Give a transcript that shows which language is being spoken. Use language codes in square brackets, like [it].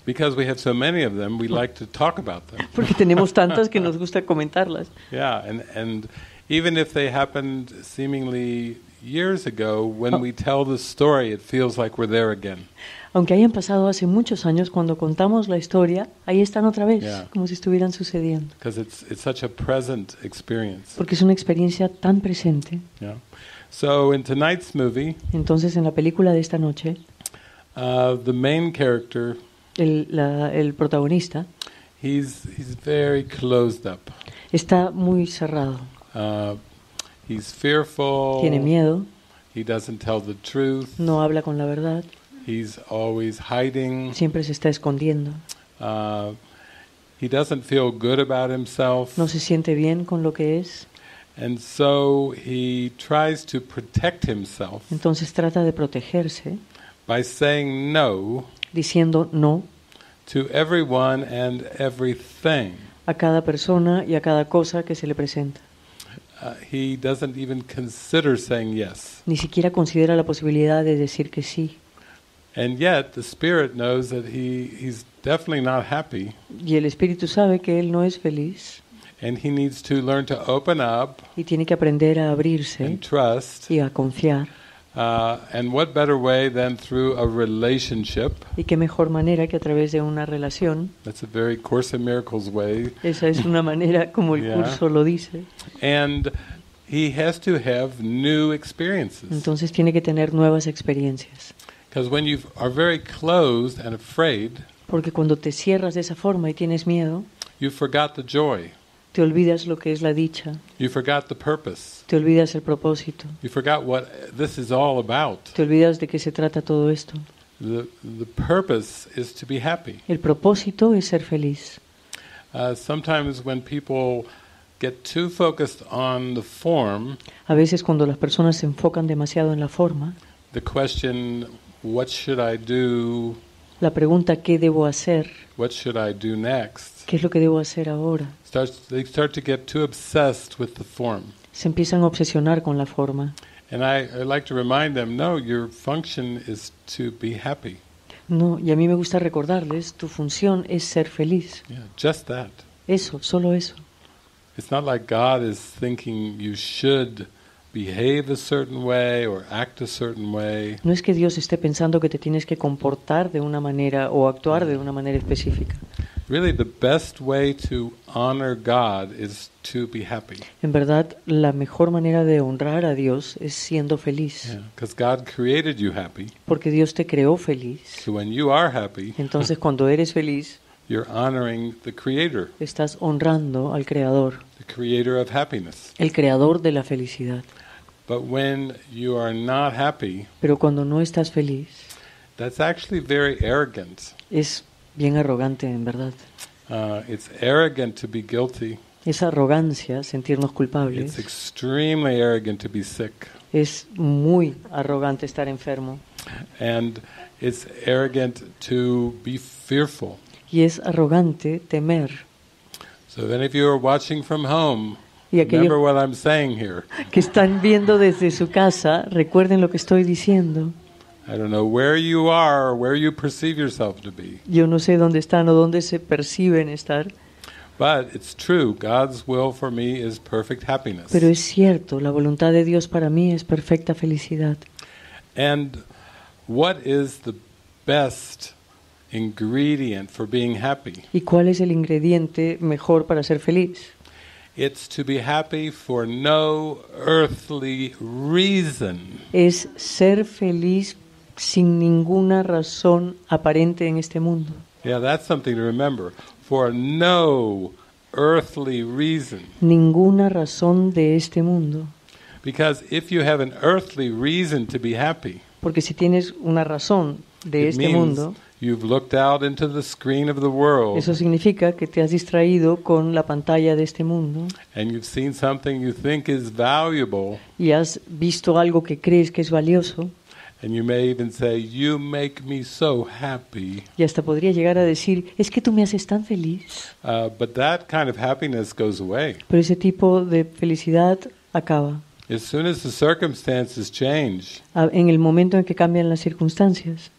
[en] Because we have so many of them, we like to talk about them. [es] Porque tenemos tantas que nos gusta comentarlas. [en] Yeah, and even if they happened seemingly years ago, when we tell the story, it feels like we're there again. [es] Aunque hayan pasado hace muchos años, cuando contamos la historia, ahí están otra vez, como si estuvieran sucediendo. [en] Because it's such a present experience. [es] Porque es una experiencia tan presente. [en] Yeah. So in tonight's movie, [es] entonces en la película de esta noche, [en] the main character, [es] el protagonista, [en] he's very closed up. [es] Está muy cerrado. [en] He's fearful. [es] Tiene miedo. [en] He doesn't tell the truth. [es] No habla con la verdad. [en] He's always hiding. [es] Siempre se está escondiendo. [en] He doesn't feel good about himself. [es] No se siente bien con lo que es. [en] And so he tries to protect himself. [es] Entonces trata de protegerse. [en] By saying no. [es] Diciendo no. [en] To everyone and everything. [es] A cada persona y a cada cosa que se le presenta. [en] He doesn't even consider saying yes. [es] Ni siquiera considera la posibilidad de decir que sí. [en] And yet the spirit knows that he's definitely not happy. [es] Y el espíritu sabe que él no es feliz. [en] And he needs to learn to open up. [es] Y tiene que aprender a abrirse. [en] And trust. [es] Y a confiar. [en] And what better way than through a relationship? [es] Y qué mejor manera que a través de una relación. [en] That's a very Course in Miracles way. [es] Esa es una manera como el curso lo dice. [en] And he has to have new experiences. [es] Entonces tiene que tener nuevas experiencias. [en] Because when you are very closed and afraid, [es] porque cuando te cierras de esa forma y tienes miedo, [en] you forgot the joy. [es] Te olvidas lo que es la dicha. [en] You forgot the purpose. [es] Te olvidas el propósito. [en] You forgot what this is all about. [es] Te olvidas de qué se trata todo esto. [en] The purpose is to be happy. [es] El propósito es ser feliz. [en] Sometimes when people get too focused on the form, [es] a veces cuando las personas se enfocan demasiado en la forma, [en] the question, what should I do? [es] La pregunta, ¿qué debo hacer? [en] What should I do next? [es] ¿Qué es lo que debo hacer ahora? [en] They start to get too obsessed with the form. [es] Se empiezan a obsesionar con la forma. [en] And I like to remind them, no, your function is to be happy. [es] No, y a mí me gusta recordarles, tu función es ser feliz. [en] Yeah, just that. [es] Eso, solo eso. [en] It's not like God is thinking you should behave a certain way or act a certain way. [es] No es que Dios esté pensando que te tienes que comportar de una manera o actuar de una manera específica. [en] Really, the best way to honor God is to be happy. [es] En verdad, la mejor manera de honrar a Dios es siendo feliz. [en] Yeah, because God created you happy. [es] Porque Dios te creó feliz. [en] So when you are happy, [es] entonces cuando eres feliz, [en] you're honoring the Creator. [es] Estás honrando al Creador. [en] The Creator of happiness. [es] El Creador de la felicidad. [en] But when you are not happy, [es] pero cuando no estás feliz, [en] that's actually very arrogant. [es] Es bien arrogante, en verdad. [en] It's arrogant to be guilty. [es] Es arrogancia sentirnos culpables. [en] It's extremely arrogant to be sick. [es] Es muy arrogante estar enfermo. [en] And it's arrogant to be fearful. [es] Y es arrogante temer. [en] So then if you are watching from home, remember what I'm saying here. [es] Que están viendo desde su casa, recuerden lo que estoy diciendo. [en] I don't know where you are or where you perceive yourself to be. [es] Yo no sé dónde están o dónde se perciben estar. [en] But it's true, God's will for me is perfect happiness. [es] Pero es cierto, la voluntad de Dios para mí es perfecta felicidad. [en] And what is the best ingredient for being happy? [es] ¿Y cuál es el ingrediente mejor para ser feliz? [en] It's to be happy for no earthly reason. [es] Es ser feliz sin ninguna razón aparente en este mundo. [en] Yeah, that's something to remember. For no earthly reason. [es] Ninguna razón de este mundo. [en] Because if you have an earthly reason to be happy, [es] porque si tienes una razón de este mundo, [en] you've looked out into the screen of the world. [es] Eso significa que te has distraído con la pantalla de este mundo. [en] And you've seen something you think is valuable. [es] Y has visto algo que crees que es valioso. [en] And you may even say, "You make me so happy." [es] Y hasta podría llegar a decir, "Es que tú me haces tan feliz." [en] But that kind of happiness goes away. [es] Pero ese tipo de felicidad acaba. [en] As soon as the circumstances change, [es] en el momento en que cambian las circunstancias,